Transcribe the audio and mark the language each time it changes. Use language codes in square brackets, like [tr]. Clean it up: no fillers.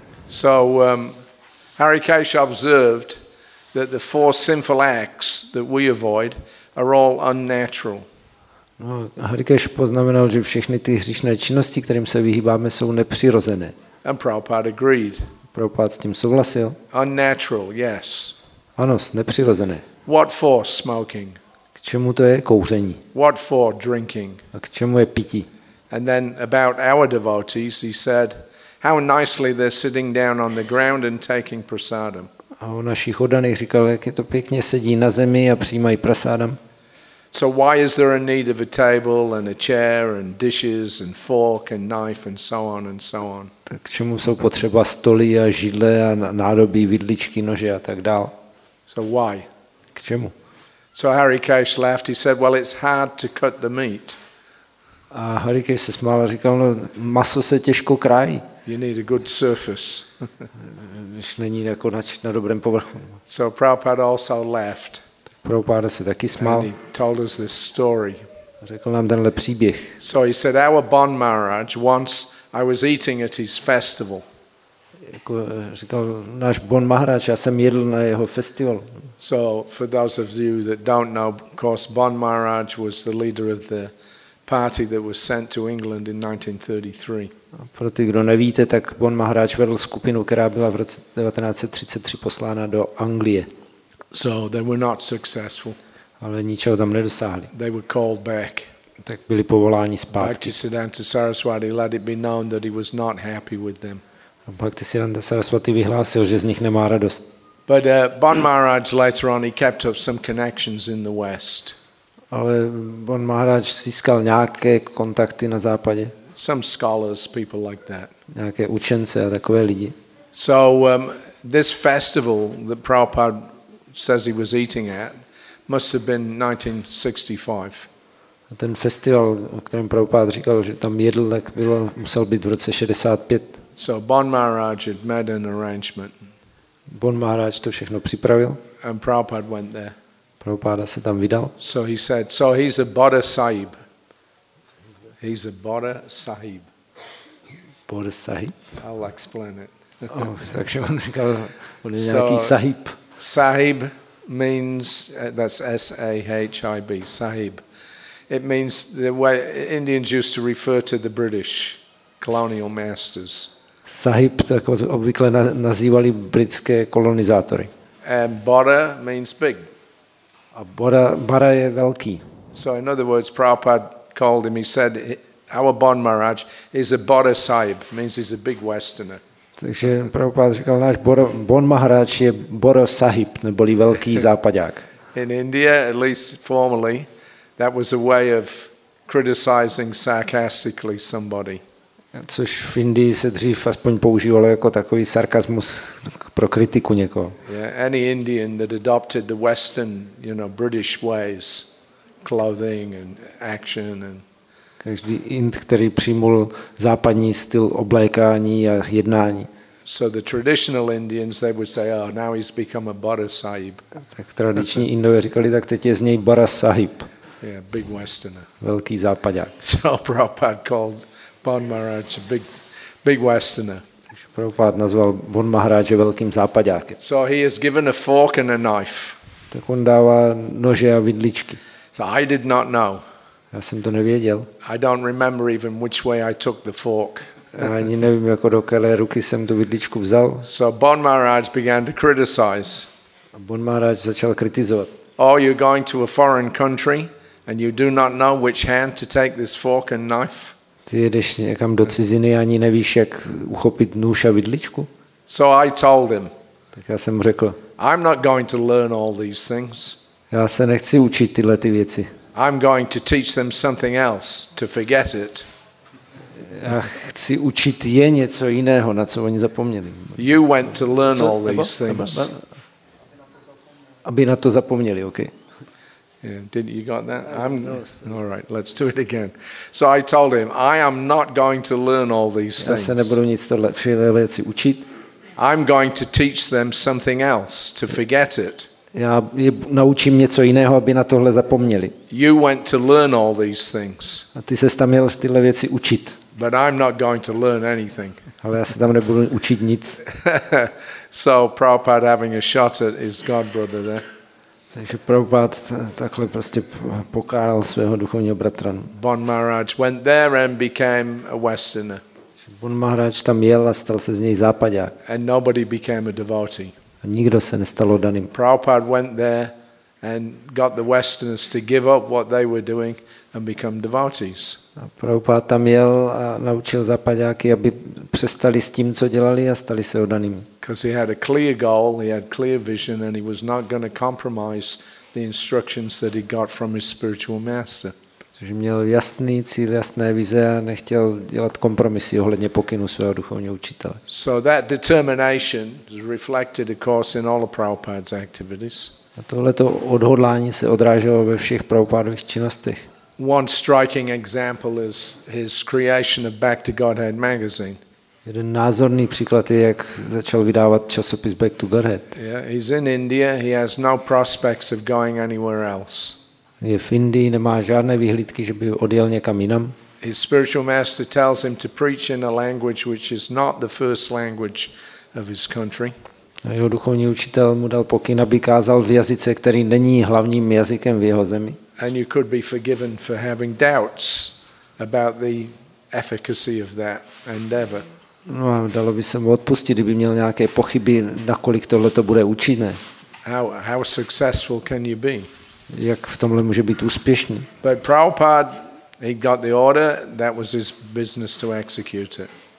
[en] So Harikesh observed that the four sinful acts that we avoid are all unnatural. [cs] No, Harikesh poznamenal, že všechny ty hříšné činnosti, kterým se vyhýbáme, jsou nepřirozené. [en] And Prabhupada agreed. [cs] Prabhupada s tím souhlasil. [en] Unnatural, yes. [cs] Ano, nepřirozené. [en] What for smoking? [cs] K čemu to je kouření? [en] What for drinking? [cs] A k čemu je pití? [en] And then about our devotees, he said, how nicely they're sitting down on the ground and taking prasadam. [cs] A o našich oddaných říkal, jak je to pěkně, sedí na zemi a přijímají prasadam. [en] So why is there a need of a table and a chair and dishes and fork and knife and so on and so on? [cs] Tak čemu jsou potřeba stoly a židle a nádobí, vidličky, nože a tak dál? [en] So why? [cs] K čemu? [en] So Harikesh laughed, he said, well, it's hard to cut the meat. [cs] A Harikesh se smál a říkal, no, maso se těžko krájí. [en] You need a good surface. [cs] Když není jako na dobrém povrchu. [en] So Prabhupada also laughed. [cs] Prabhupada se taky smál. [en] And he told us this story. [cs] Řekl nám tenhle příběh. [en] So he said, our Bon Maharaj, once I was eating at his festival. [cs] jako říkal náš Bon Maharaj, já jsem jedl na jeho festivalu. [en] So for those of you that don't know, of course Bon Maharaj was the leader of the party that was sent to England in 1933. [cs] Pro ty, kdo nevíte, tak Bon Maharaj vedl skupinu, která byla v roce 1933 poslána do Anglie. [en] So they were not successful. [cs] Ale ničeho tam nedosáhli. [en] They were called back. [cs] Tak byli povoláni zpátky. [en] Bhaktisiddhanta Saraswati let it be known that he was not happy with them. [cs] Bhaktisiddhanta Saraswati vyhlásil, že z nich nemá radost. [en] But Bon Maharaj later on he kept up some connections in the West. [cs] Ale Bon Maharaj získal nějaké kontakty na západě. [en] Some scholars, people like that. [cs] Nějaké učence a takové lidi. [en] So this festival that Prabhupada says he was eating at must have been 1965. [cs] A ten festival, o kterém Prabhupada říkal, že tam jedl, tak bylo, musel být v roce 65. [en] So Bon Maharaj had made an arrangement. [cs] Bon Maharaj to všechno připravil. [en] And Prabhupada went there. [cs] Prabhupada se tam vydal. [en] So he said, so he's a Bodha Sahib. He's a Bodha Sahib. Bodha Sahib? I'll explain it. [cs] Takže on říkal, on je nějaký Sahib. [en] Sahib means, that's S-A-H-I-B, Sahib. It means the way Indians used to refer to the British colonial masters. [cs] Sahib, tak obvykle nazývali britské kolonizátory. [en] And Bodha means big. [cs] A Bara je velký. [en] So in other words, Prabhupada called him, he said, our Bon Maharaj is a Bodha Sahib, means he's a big Westerner. [cs] Takže Prabhupada říkal, náš Bon Maharaj je Bodha Sahib, neboli velký západák. [en] In India, at least formally, that was a way of criticizing sarcastically somebody. [cs] Což v Indii se dřív aspoň používalo jako takový sarkazmus pro kritiku někoho. [en] Yeah, any Indian that adopted the Western, you know, British ways, clothing and action and. [cs] Každý Ind, který přijmul západní styl oblékání a jednání. [en] So the traditional Indians they would say, oh, now he's become a Bodha Sahib. [cs] Tak tradiční Indové říkali, tak teď je z něj Bodha Sahib. [en] Yeah, big Westerner. [cs] Velký západák. [en] So Prabhupada called Bon Maharaj a big Westerner. [cs] Prabhupada nazval Bon Maharaja velkým západákem. [en] So he is given a fork and a knife. [cs] Tak on dává nože a vidličky. [en] So I did not know. [cs] Já jsem to nevěděl. [en] I don't remember even which way I took the fork. [cs] Já ani nevím, jako do které ruky jsem tu vidličku vzal. [en] So Bon Maharaj began to criticize. [cs] A Bon Maharaj začal kritizovat. [en] Oh, you're going to a foreign country and you do not know which hand to take this fork and knife. [cs] Ty jedeš někam do ciziny, ani nevíš, jak uchopit nůž a vidličku? [en] So I told him. [cs] Tak já jsem mu řekl. [en] I'm not going to learn all these things. [cs] Já se nechci učit tyhle ty věci. [en] I'm going to teach them something else to forget it. [cs] Já chci učit je něco jiného, na co oni zapomněli. [en] You went to learn all these things. [cs] Aby na to zapomněli, okay? [en] Yeah, didn't you got that? All right, let's do it again. So I told him, I am not going to learn all these things. [cs] Já se nebudu nic tohle věci učit. [en] I'm going to teach them something else to forget it. [cs] Já je naučím něco jiného, aby na tohle zapomněli. [en] You went to learn all these things. [cs] A ty ses tam měl tyhle věci učit. [en] But I'm not going to learn anything. [cs] Ale já se tam nebudu učit nic. [en] So Prabhupada having a shot at his god brother there. [cs] Takže Prabhupád takhle prostě pokáral svého duchovního bratra. [en] Bon Maharaj went there and became a Westerner. [cs] Bon Maharaj tam jel a stal se z něj západák. [en] And nobody became a devotee. [cs] A nikdo se nestal oddaným. [en] Prabhupád went there and got the Westerners to give up what they were doing and become devotees. [cs] A Prabhupád tam jel a naučil západáky, aby přestali s tím, co dělali, a stali se oddanými. [en] Because he had a clear goal, he had clear vision, and he was not going to compromise the instructions that he got from his spiritual master. [cs] Protože měl jasný cíl, jasné vize a nechtěl dělat kompromisy ohledně pokynu svého duchovního učitele. [en] So that determination is reflected, of course, in all of Prabhupada's activities. [cs] A tohleto odhodlání se odráželo ve všech Prabhupádových činnostech. [en] One striking example is his creation of Back to Godhead magazine. [cs] Jeden názorný příklad je, jak začal vydávat časopis Back to Godhead. [en] Yeah, he's in India. He has no prospects of going anywhere else. [cs] Je v Indii, nemá žádné výhlídky, že by odjel někam jinam. [en] His spiritual master tells him to preach in a language which is not the first language of his country. [cs] A jeho duchovní učitel mu dal pokyn, aby kázal v jazyce, který není hlavním jazykem v jeho zemi. [en] And you could be forgiven for having doubts about the efficacy of that endeavor. [cs] No, a dalo by se mu odpustit, kdyby měl nějaké pochyby, nakolik tohle to bude účinné. [en] How successful can you be? [cs] Jak v tomhle může být úspěšný? [en] But Prabhupada, he got the order, that was his business to execute it.